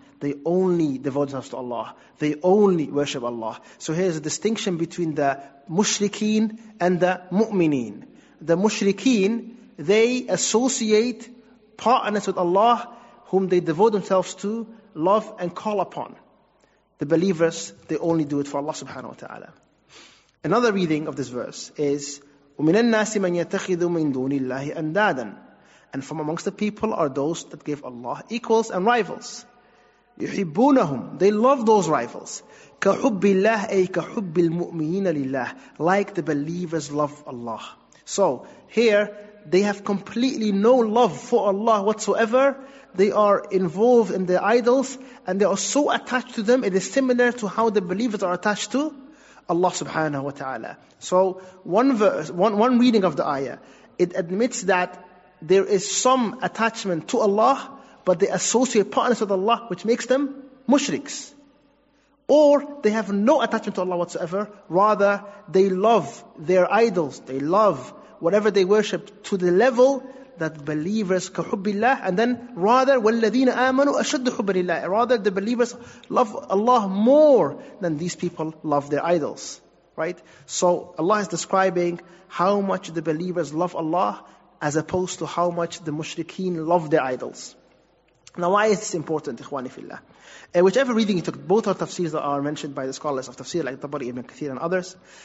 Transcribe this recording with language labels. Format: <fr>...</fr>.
<en>They only devote themselves to Allah. They only worship Allah. So here's a distinction between the mushrikeen and the mu'mineen. The mushrikeen, they associate partners with Allah, whom they devote themselves to, love and call upon. The believers, they only do it for Allah subhanahu wa ta'ala. Another reading of this verse is,</en> <ar>وَمِنَ النَّاسِ مَنْ يَتَّخِذُ مِنْ دُونِ اللَّهِ أَنْدَادًا.</ar> <en>And from amongst the people are those that give Allah equals and rivals.</en> <ar>يُحِبُّونَهُمْ.</ar> <en>They love those rivals.</en> <ar>كَحُبِّ اللَّهِ أَيْ كَحُبِّ الْمُؤْمِنِينَ لِلَّهِ.</ar> <en>Like the believers love Allah. So here, they have completely no love for Allah whatsoever. They are involved in their idols, and they are so attached to them. It is similar to how the believers are attached to Allah subhanahu wa ta'ala. So one verse, one reading of the ayah, it admits that there is some attachment to Allah, but they associate partners with Allah, which makes them mushriks. Or they have no attachment to Allah whatsoever. Rather, they love their idols. They love whatever they worship to the level that believers</en> <ar>كَحُبِّ اللَّهِ.</ar> <en>And then rather,</en> <ar>وَالَّذِينَ آمَنُوا أَشَدُّ حُبَّ لِلَّهِ.</ar> <en>Rather, the believers love Allah more than these people love their idols. Right? So Allah is describing how much the believers love Allah as opposed to how much the mushrikeen love their idols. Now why is this important, ikhwani fillah? Whichever reading you took, both are tafsirs that are mentioned by the scholars of tafsir like Tabari ibn Kathir and others.</en>